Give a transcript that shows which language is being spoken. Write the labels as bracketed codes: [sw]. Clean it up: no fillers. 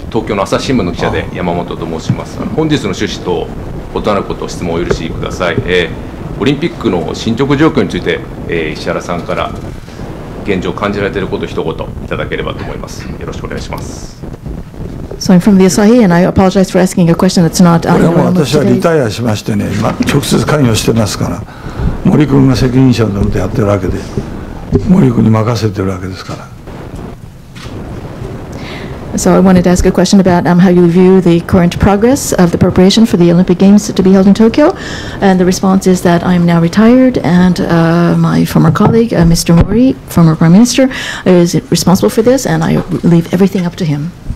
[ja] 東京の朝日新聞の記者で山本と申します。本日の趣旨と異なることを質問を許しください。オリンピックの進捗状況について、石原さんから現状を感じられていることを一言いただければと思います。よろしくお願いします。 [en] So I'm from the Asahi, and I apologize for asking a question that's not on the agenda. [ja] 私はリタイアしましてね、まあ、直接関与してますから、森君が責任者なのでやってるわけで、森君に任せてるわけですから。 [en] So I wanted to ask a question about how you view the current progress of the preparation for the Olympic Games to be held in Tokyo. And the response is that I'm now retired and my former colleague, Mr. Mori, former Prime Minister, is responsible for this and I leave everything up to him.